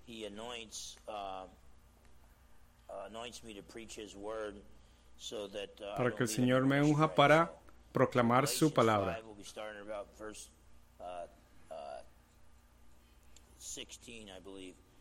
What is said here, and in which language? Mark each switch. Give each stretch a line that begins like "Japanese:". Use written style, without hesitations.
English: He anoints, anoints me to preach his word so that,
Spanish: para que el Señor me unja para proclamar su palabra.
English: We'll be starting about verse 16, I believe.